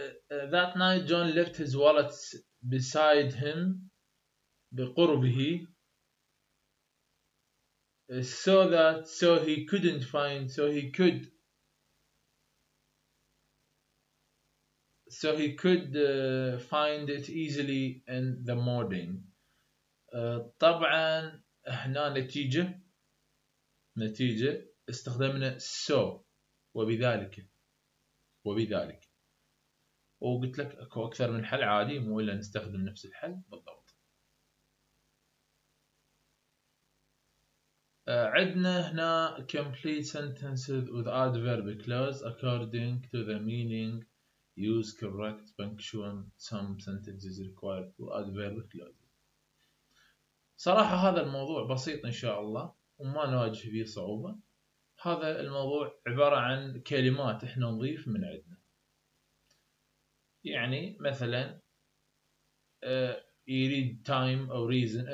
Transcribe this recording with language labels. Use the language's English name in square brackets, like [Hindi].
[English] That night John left his wallet beside him، [Arabic] بقربه، [English] so he could find it easily in the morning. [Arabic] طبعا هنا نتيجة استخدمنا so، وبذلك وقلت لك اكو اكثر من حل عادي، مو الا نستخدم نفس الحل بالضبط. عندنا هنا [English] complete sentences with adverb clause according to the meaning، use correct punctuation، some sentences required adverb clause. [Arabic] صراحة هذا الموضوع بسيط ان شاء الله وما نواجه فيه صعوبة. هذا الموضوع عبارة عن كلمات احنا نضيف من عندنا، يعني مثلا يريد time أو reason.